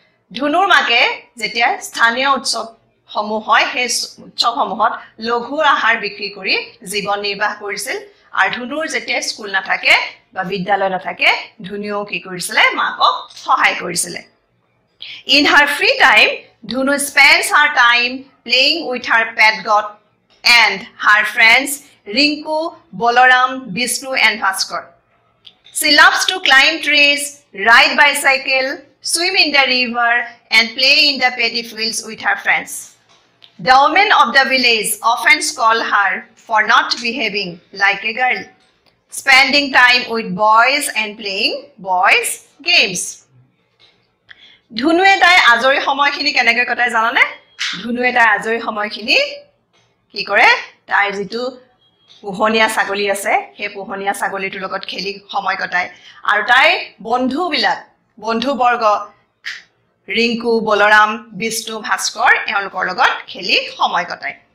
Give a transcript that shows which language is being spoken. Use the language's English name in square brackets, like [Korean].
[Assamese] ধুনুৰ মাকে যেতিয়া স্থানীয় উৎসৱসমূহ হয় সেই উৎসৱসমূহত লঘু আহাৰ বিক্ৰী কৰি জীৱন নিৰ্বাহ কৰিছিল আৰু ধুনুৰ যেতিয়া স্কুল নাথাকে বা বিদ্যালয় নাথাকে ধুনুও কি কৰিছিলে মাকক সহায় কৰিছিলে। [English] In her free time Dhunu spends her time playing with her pet goat and her friends Rinku Balram Bishnu and Bhaskar. She loves to climb trees ride bicycle swim in the river and play in the paddy fields with her friends. The women of the village often scold her for not behaving like a girl, spending time with boys and playing boys games. [Assamese] Dhunue tai ajori samoy khini kenege kotai janane dhunue tai ajori samoy khini ki kore tai jitu পোহনীয়া ছাগলী আছে সেই পোহনীয়া ছাগলীটোৰ লগত খেলি সময় কটাই আৰু তাইৰ বন্ধুবিলাক বন্ধুবৰ্গ ৰিংকু বলৰাম বিষ্ণু ভাস্কৰ এওঁলোকৰ লগত খেলি সময় কটায়।